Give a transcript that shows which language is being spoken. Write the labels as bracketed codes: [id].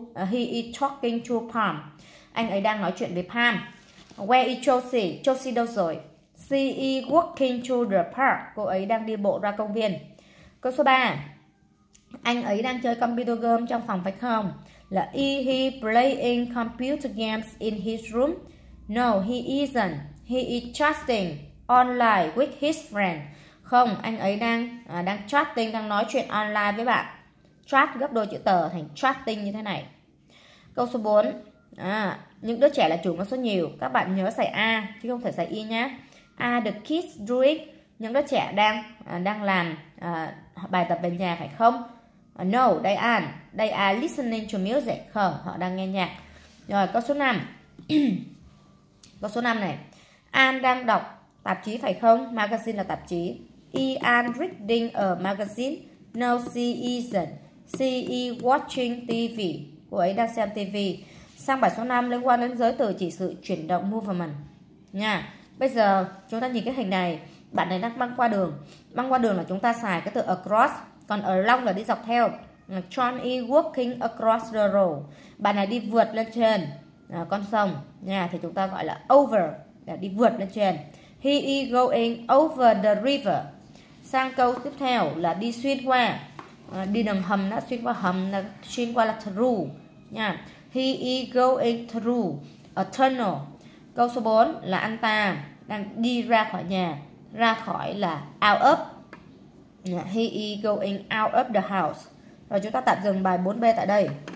[en] He is talking to Pam. [vi] Anh ấy đang nói chuyện với Pam. [en] Where is Josie? [vi] Josie đâu rồi? [en] She is walking to the park. [vi] Cô ấy đang đi bộ ra công viên. Câu số 3, anh ấy đang chơi computer game trong phòng phải không? [en] Là is he playing computer games in his room? No, he isn't. He is chatting online with his friend. [vi] Không, anh ấy đang chatting, đang nói chuyện online với bạn. Chat gấp đôi chữ tờ thành chatting như thế này. Câu số 4, những đứa trẻ là chủ ngữ số nhiều. Các bạn nhớ xài A chứ không thể xài Y nhé. [en] Are the kids doing? [vi] Những đứa trẻ đang làm bài tập về nhà phải không? [en] No, they are listening to music. [vi] Không, họ đang nghe nhạc. Rồi, câu số 5. Câu số 5 này. An đang đọc tạp chí phải không? Magazine là tạp chí. [en] Is An reading a magazine? No, she isn't. She is watching TV. [vi] cô ấy đang xem TV. Sang bài số 5 liên quan đến giới từ chỉ sự chuyển động movement nha. Bây giờ chúng ta nhìn cái hình này, bạn này đang băng qua đường. Băng qua đường là chúng ta xài cái từ across, còn along là đi dọc theo. [en] Johnny walking across the road. [vi] Bạn này đi vượt lên trên con sông nha, thì chúng ta gọi là over, là đi vượt lên trên. [en] He is going over the river. [vi] Sang câu tiếp theo là đi xuyên qua, đi đường hầm, đã xuyên qua hầm, là xuyên qua là through nha. [en] He is going through a tunnel. [vi] Câu số 4 là anh ta đang đi ra khỏi nhà, ra khỏi là out of. [en] He is going out of the house. [vi] Rồi chúng ta tạm dừng bài 4B tại đây.